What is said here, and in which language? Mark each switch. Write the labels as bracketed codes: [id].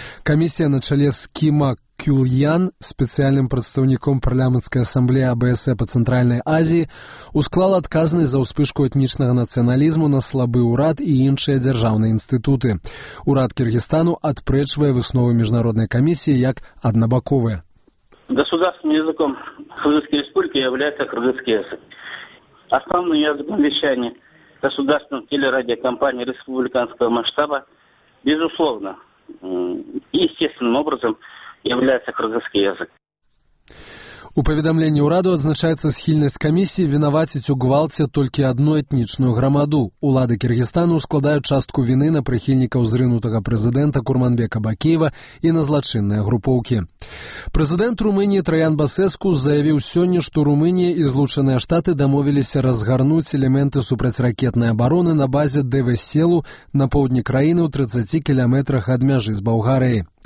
[be] Камісія на чале з Кіма Кюльян, спецыяльным прадстаўніком парламенцкай асамблеі АБСЭ па Цэнтральнай Азіі, усклала адказнасць за ўспышку этнічнага нацыяналізму на слабы ўрад і іншыя дзяржаўныя інстытуты. Ўрад Кыргызстану адпрэчвае высновы міжнароднай камісіі як аднабаковыя. [ru] Государственным языком Кыргызской Республики является кыргызский язык. Основным языком вещания государственной телерадиокомпании республиканского масштаба безусловно, естественным образом является кыргызский язык. [be] У паведамленні ўраду адзначаецца схільнасць камісіі вінаваціць у гвалце толькі адну этнічную грамаду. Улады Кыргызстану складаюць частку віны на прыхільнікаў зрынутага прэзідэнта Курманбека Бакіева і на злачынныя групоўкі. Прэзідэнт Румыніі Траян Басэску заявіў сёння, што Румынія і Злучаныя Штаты дамовіліся разгарнуць элементы супрацьракетнай абароны на базе ДВ-селу на поўдні краіны ў 30 кіламетрах ад мяжы з Балгарыяй.